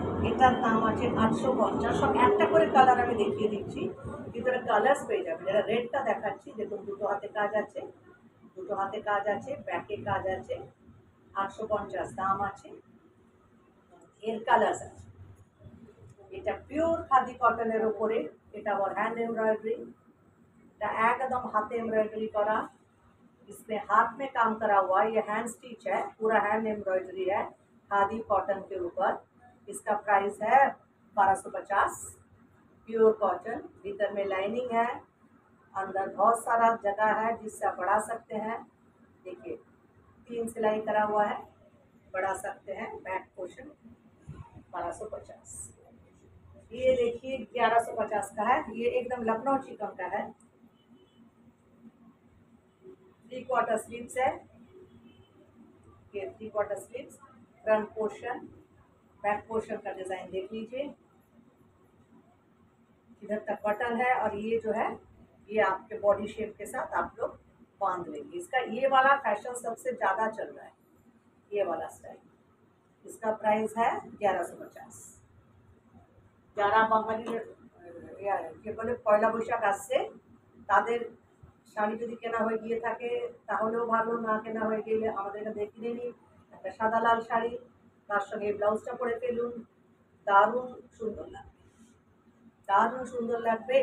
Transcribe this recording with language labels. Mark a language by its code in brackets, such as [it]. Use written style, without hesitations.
[bn] এটার দাম আছে 850। একটা করে কালার আমি দেখিয়ে দিচ্ছি, ভিতরে কালার পেয়ে যাবে। যেটা রেডটা দেখাচ্ছি, দেখুন দুটো হাতে কাজ আছে, দুটো হাতে কাজ আছে, ব্যাকে কাজ আছে, 850 দাম আছে, এর কালার আছে। এটা পিওর খাদি কটনের উপরে, এটা আবার হ্যান্ড এমব্রয়ডারি, এটা একদম হাতে এমব্রয়ডারি করা, [hi] इसमें हाथ में काम करा हुआ, ये हैंड स्टिच है, पूरा हैंड एम्ब्रॉयडरी है खादी कॉटन के ऊपर। इसका प्राइस है 1250 प्योर कॉटन। भीतर में लाइनिंग है, अंदर बहुत सारा जगह है जिससे आप बढ़ा सकते हैं। देखिए तीन सिलाई करा हुआ है, बढ़ा सकते हैं बैक पोर्शन। 1250 ये देखिए 1150 का है, ये एकदम लखनऊ चिकन का है। थ्री क्वार्टर स्लीव्स है, three quarter sleeves, front portion, back portion का डिजाइन देख लीजिए। इधर तक बटन है और ये जो है ये आपके बॉडी शेप के साथ आप लोग बांध लेंगे। इसका ये वाला फैशन सबसे ज्यादा चल रहा है, ये वाला स्टाइल। इसका प्राइस है 1150। 11 बंगाली बोले पहला बैशाख आससे तर [bn] শাড়ি যদি কেনা হয়ে গিয়ে থাকে তাহলেও ভালো, না কেনা হয়ে গেলে আমাদের দেখে নিনি। একটা সাদা লাল শাড়ি, তার সঙ্গে ব্লাউজটা পরে ফেলুন, দারুণ সুন্দর লাগবে, দারুণ সুন্দর লাগবে।